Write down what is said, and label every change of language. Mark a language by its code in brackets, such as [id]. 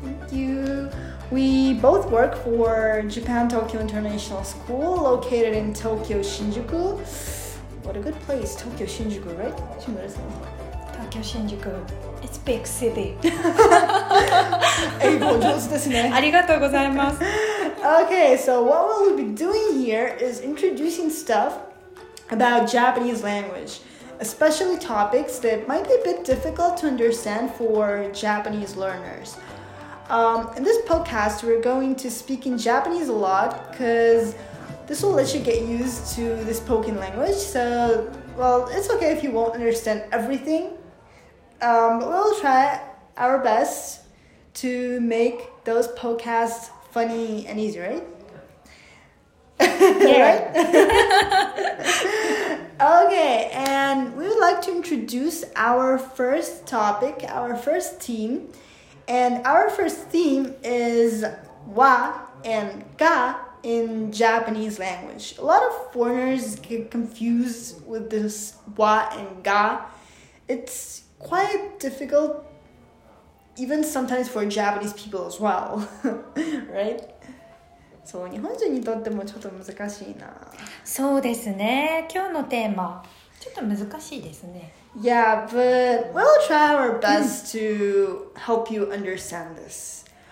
[en] Thank you. We both work for Japan Tokyo International School, located in Tokyo, Shinjuku. What a good place, Tokyo, Shinjuku, right? Tokyo, Shinjuku. It's a big city. [ja] 英語上手ですね。ありがとうございます。 [en] Okay, so what we'll be doing here is introducing stuff about Japanese language. Especially topics that might be a bit difficult to understand for Japanese learners. In this podcast, we're going to speak in Japanese a lot because this will let you get used to the spoken language. So, well, it's okay if you won't understand everything. But we'll try our best to make those podcasts funny and easy, right? Yeah. Right? Okay, and we would like to introduce our first topic, our first theme. And our first theme is wa and ga in Japanese language. A lot of foreigners get confused with this wa and ga. It's quite difficult, even sometimes for Japanese people as well, right? [ja] そう、日本人にとってもちょっと難しいな。そうですね。今日のテーマ、ちょっと難しいですね。 [en] Yeah, but we'll try our best to help you understand this.